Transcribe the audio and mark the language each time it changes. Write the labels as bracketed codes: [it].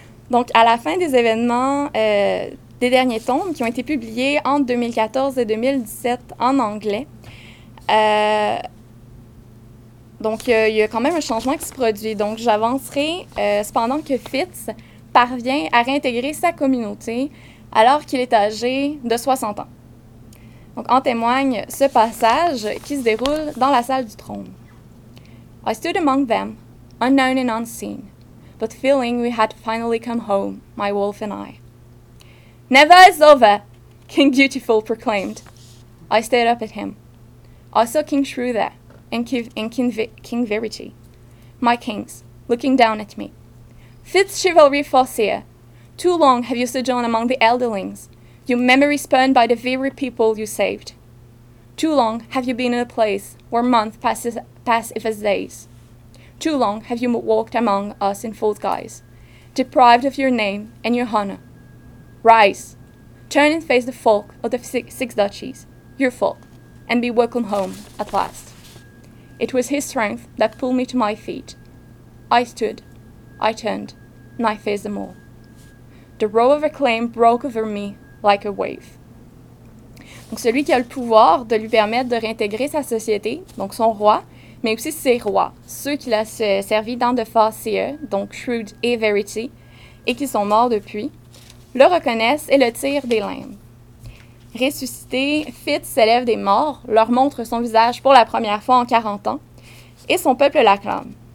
[fr] Donc, à la fin des événements des derniers tomes, qui ont été publiés entre 2014 et 2017 en anglais, donc, il y a quand même un changement qui se produit. Donc, j'avancerai cependant que Fitz parvient à réintégrer sa communauté alors qu'il est âgé de 60 ans. Donc, en témoigne ce passage qui se déroule dans la salle du trône. [en] I stood among them, unknown and unseen, but feeling we had finally come home, my wolf and I. Never is over, King Beautiful proclaimed. I stared up at him. I saw King Shrew there, and King Verity, my kings, looking down at me. Fitz Chivalry Forseer, too long have you sojourned among the elderlings, your memory spurned by the very people you saved. Too long have you been in a place where months pass if as days. Too long have you walked among us in false guise, deprived of your name and your honor. Rise, turn and face the folk of the six duchies, your folk, and be welcome home at last. It was his strength that pulled me to my feet. I stood, I turned, and I faced them all. The roar of acclaim broke over me like a wave. [fr] Donc celui qui a le pouvoir de lui permettre de réintégrer sa société, donc son roi, mais aussi ses rois, ceux qu'il a servi dans The Farseer, donc Shrewd et Verity, et qui sont morts depuis, le reconnaissent et le tirent des limbes. Ressuscité, Fitz s'élève des morts, leur montre son visage pour la première fois en 40 ans, et son peuple l'acclame.